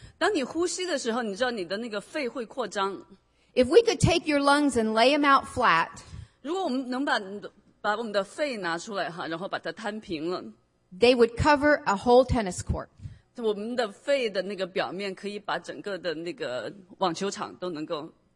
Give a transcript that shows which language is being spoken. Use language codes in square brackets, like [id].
[zh] 当你呼吸的时候，你知道你的那个肺会扩张。 [en] If we could take your lungs and lay them out flat. [zh] 如果我们能把我们的肺拿出来哈，然后把它摊平了。 [en] They would cover a whole tennis court. [zh] 我们的肺的那个表面可以把整个的那个网球场都能够。